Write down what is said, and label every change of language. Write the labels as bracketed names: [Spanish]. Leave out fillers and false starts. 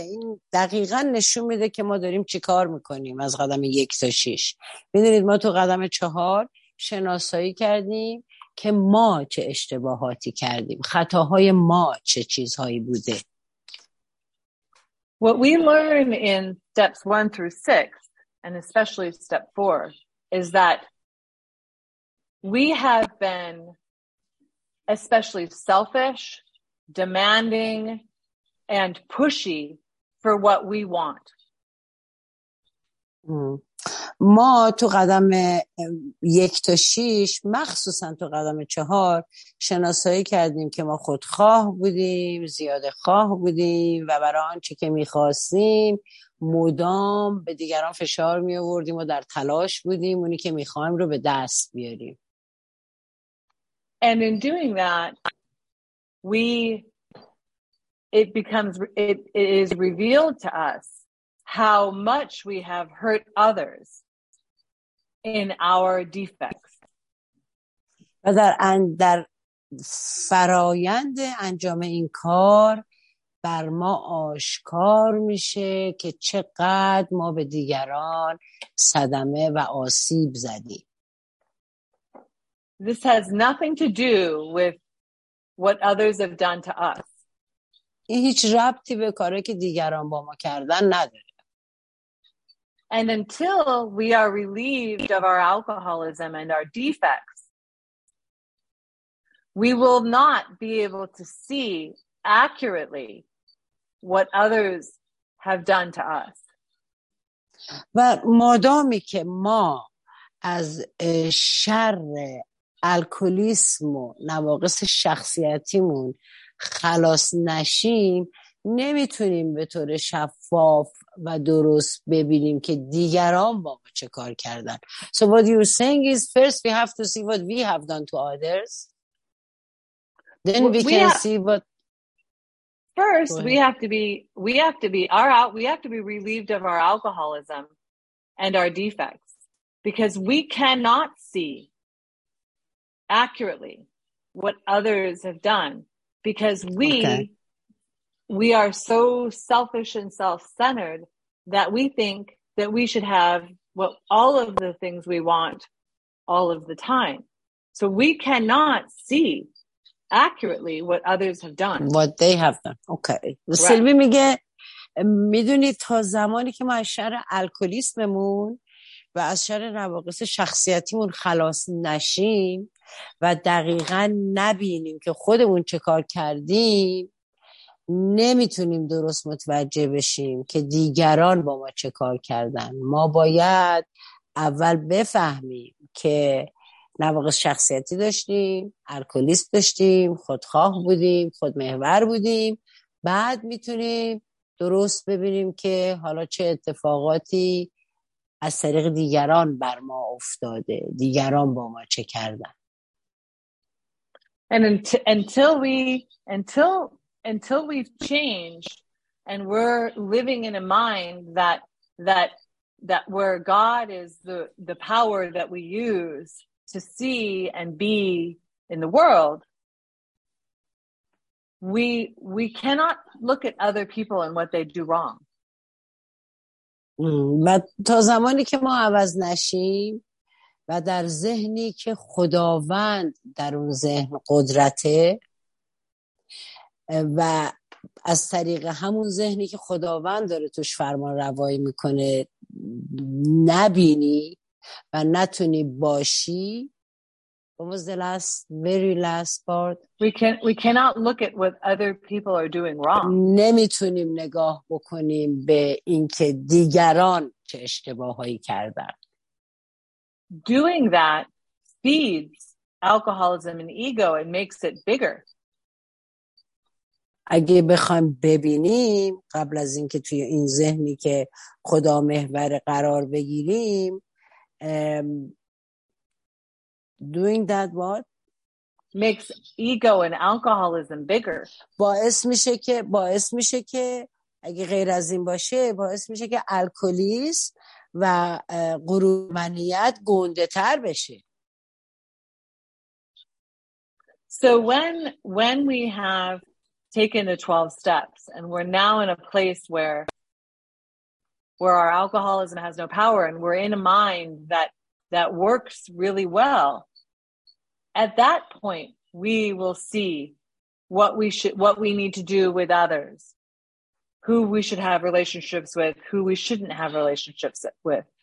[Persian] این دقیقا نشون میده که ما داریم چی کار میکنیم از قدم یک تا شیش. میدونید ما تو قدم چهار شناسایی کردیم که ما چه اشتباهاتی کردیم، خطاهای ما چه چیزهایی بوده. [English] What we learn in steps 1 through 6 and especially step 4 is that we have been especially selfish, demanding and pushy for what we want. [Persian] ما تو قدم 1 تا 6 مخصوصا تو قدم 4 شناسایی کردیم که ما خودخواه بودیم، زیاده خواه بودیم و برای آنچه که می‌خواستیم مدام به دیگران فشار می‌آوردیم و در تلاش بودیم اونی که می‌خوایم رو به دست بیاریم. [English] And in doing that it is revealed to us how much we have hurt others in our defects. [Persian] در فرایند انجام این کار بر ما آشکار میشه که چقدر ما به دیگران صدمه و آسیب زدیم. [English] This has nothing to do with what others have done to us. [Persian] این هیچ ربطی به کاری که دیگران با ما کردن نداره. [English] And until we are relieved of our alcoholism and our defects, we will not be able to see accurately what others have done to us. [Persian] و مادامی که ما از شر الکلیسم و نواقص شخصیتیمون خلاص نشیم، نمیتونیم به طور شفاف و درست ببینیم که دیگران با ما چه کار کردن. [English] So what you're saying is first we have to see what we have done to others. Then we have to be relieved of our alcoholism and our defects, because we cannot see accurately what others have done. Because we are so selfish and self-centered that we think that we should have what all of the things we want all of the time. So we cannot see accurately what others have done. What they have done. Okay. Right. [Persian] Sylvie میگه میدونی تا زمانی که ما از شر الکلیسممون و از شر نواقص شخصیتیمون خلاص نشیم و دقیقا نبینیم که خودمون چه کار کردیم، نمیتونیم درست متوجه بشیم که دیگران با ما چه کار کردن. ما باید اول بفهمیم که نواقص شخصیتی داشتیم، الکلیست داشتیم، خودخواه بودیم، خودمحور بودیم، بعد میتونیم درست ببینیم که حالا چه اتفاقاتی از طریق دیگران بر ما افتاده، دیگران با ما چه کردن. [English] And until we've changed and we're living in a mind that where God is the power that we use to see and be in the world, we cannot look at other people and what they do wrong. But [Persian] تا زمانی که ما عوض نشیم و در ذهنی که خداوند در اون ذهن قدرته و از طریق همون ذهنی که خداوند داره توش فرمان روایی میکنه نبینی و نتونی باشی. [English] What was the last, very last part? We cannot look at what other people are doing wrong. [Persian] نمیتونیم نگاه بکنیم به اینکه دیگران چه اشتباهایی کردن. [English] Doing that feeds alcoholism and ego and makes it bigger. [Persian] اگه بخوایم ببینیم قبل از اینکه توی این ذهنی که خدا محور قرار بگیریم [English] doing that what makes ego and alcoholism bigger. [Persian] باعث میشه که اگه غیر از این باشه باعث میشه که الکلیسم و غرورمندیت گنده تر بشه. [English] So when we have taken the 12 steps and we're now in a place where our alcoholism has no power and we're in a mind that works really well, at that point we will see what we need to do with others, who we should have relationships with, who we shouldn't have relationships with.